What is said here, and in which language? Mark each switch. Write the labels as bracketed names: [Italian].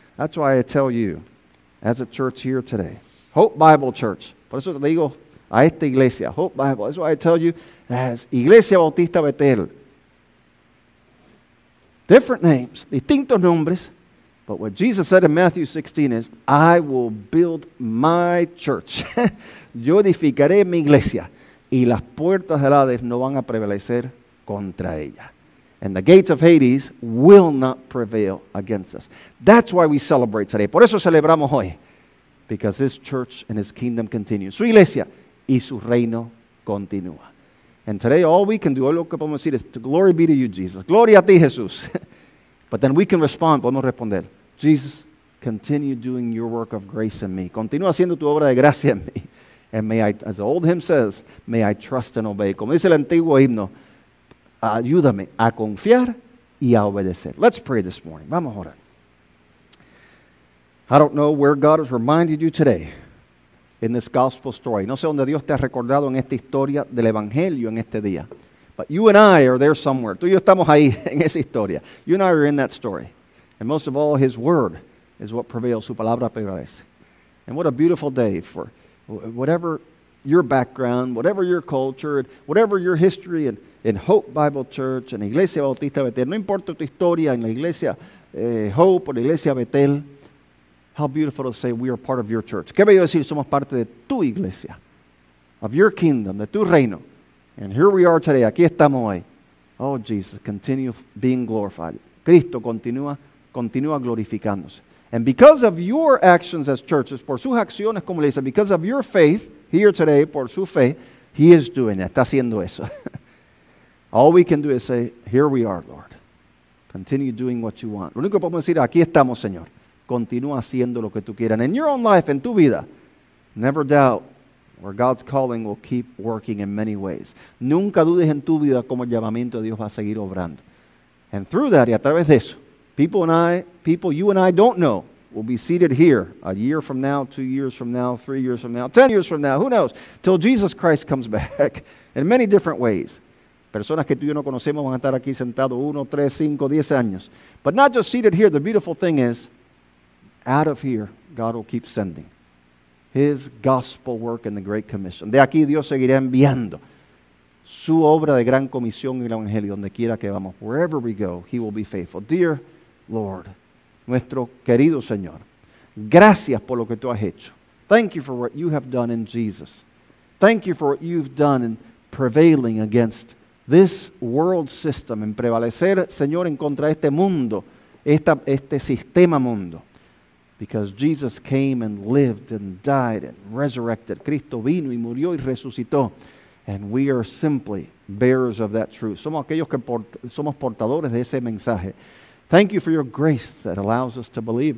[English] That's why I tell you, as a church here today, Hope Bible Church, [Spanish] por eso te digo a esta iglesia, Hope Bible, [English] that's why I tell you, as Iglesia Bautista Betel, different names, [Spanish] distintos nombres, [English] but what Jesus said in Matthew 16 is, I will build my church. [Spanish] Yo edificaré mi iglesia, y las puertas del Hades no van a prevalecer contra ella. [English] And the gates of Hades will not prevail against us. That's why we celebrate today. [Spanish] Por eso celebramos hoy. [English] Because his church and his kingdom continue. [Spanish] Su iglesia y su reino continúa. [English] And today all we can do, all [Spanish] lo que podemos decir es, [English] to glory be to you, Jesus. [Spanish] Gloria a ti, Jesús. [English] But then we can respond, [Spanish] podemos responder. [English] Jesus, continue doing your work of grace in me. [Spanish] Continúa haciendo tu obra de gracia en mí. [English] And may I, as the old hymn says, may I trust and obey. [Spanish] Como dice el antiguo himno, ayúdame a confiar y a obedecer. [English] Let's pray this morning. [Spanish] Vamos a orar. [English] I don't know where God has reminded you today in this gospel story. [Spanish] No sé dónde Dios te ha recordado en esta historia del evangelio en este día. [English] But you and I are there somewhere. [Spanish] Tú y yo estamos ahí en esa historia. [English] You and I are in that story. And most of all, his word is what prevails. [Spanish] Su palabra prevalece. [English] And what a beautiful day for whatever your background, whatever your culture, and whatever your history, and in Hope Bible Church, and Iglesia Bautista Betel, [Spanish] no importa tu historia en la Iglesia Hope, o la Iglesia Betel, [English] how beautiful to say we are part of your church. [Spanish] Qué bello decir, somos parte de tu iglesia, [English] of your kingdom, [Spanish] de tu reino. [English] And here we are today, [Spanish] aquí estamos hoy. [English] Oh, Jesus, continue being glorified. [Spanish] Cristo continúa glorificándose. [English] And because of your actions as churches, [Spanish] por sus acciones como iglesia, [English] because of your faith, here today, [Spanish] por su fe, [English] he is doing that. [Spanish] Está haciendo eso. [English] All we can do is say, here we are, Lord. Continue doing what you want. [Spanish] Lo único que podemos decir, aquí estamos, Señor. Continúa haciendo lo que tú quieras. [English] And in your own life, [Spanish] en tu vida, [English] never doubt where God's calling will keep working in many ways. [Spanish] Nunca dudes en tu vida cómo el llamamiento de Dios va a seguir obrando. [English] And through that, [Spanish] y a través de eso, [English] people you and I don't know, we'll be seated here a year from now, 2 years from now, 3 years from now, 10 years from now, who knows, till Jesus Christ comes back in many different ways. [Spanish] Personas que tú y yo no conocemos van a estar aquí sentados 1, 3, 5, 10 años. [English] But not just seated here, the beautiful thing is, out of here, God will keep sending. His gospel work in the Great Commission. [Spanish] De aquí Dios seguirá enviando su obra de gran comisión y el evangelio donde quiera que vamos. [English] Wherever we go, He will be faithful. Dear Lord, [Spanish] nuestro querido Señor, gracias por lo que tú has hecho. [English] Thank you for what you have done in Jesus. Thank you for what you've done in prevailing against this world system, [Spanish] en prevalecer, Señor, en contra de este mundo, este sistema mundo. [English] Because Jesus came and lived and died and resurrected. [Spanish] Cristo vino y murió y resucitó. [English] And we are simply bearers of that truth. [Spanish] Somos aquellos que somos portadores de ese mensaje. [English] Thank you for your grace that allows us to believe.